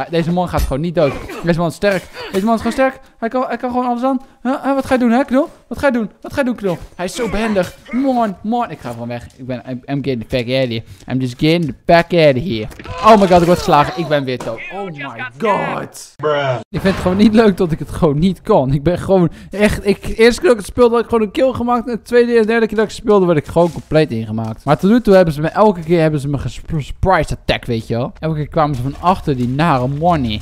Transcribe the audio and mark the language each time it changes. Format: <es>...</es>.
<nl>Deze man gaat gewoon niet dood. Deze man is gewoon sterk. Hij kan gewoon alles aan. Wat ga je doen, hè, Knol? Wat ga je doen, Knol? Hij is zo behendig. Man. Ik ga gewoon weg.</nl> <en>I'm getting the fuck out of here. I'm just getting the fuck out of here.</en> <nl>Oh my god, ik word geslagen. Ik ben wit dood. Oh my god. Bruh. Ik vind het gewoon niet leuk dat ik het gewoon niet kan. Ik ben gewoon echt... Eerst keer dat ik het speelde, had ik gewoon een kill gemaakt. En de tweede en derde keer dat ik speelde, werd ik gewoon compleet ingemaakt. Maar tot nu toe hebben ze me... Elke keer hebben ze me surprise attack, weet je wel. Elke keer kwamen ze van achter die nare money.</nl>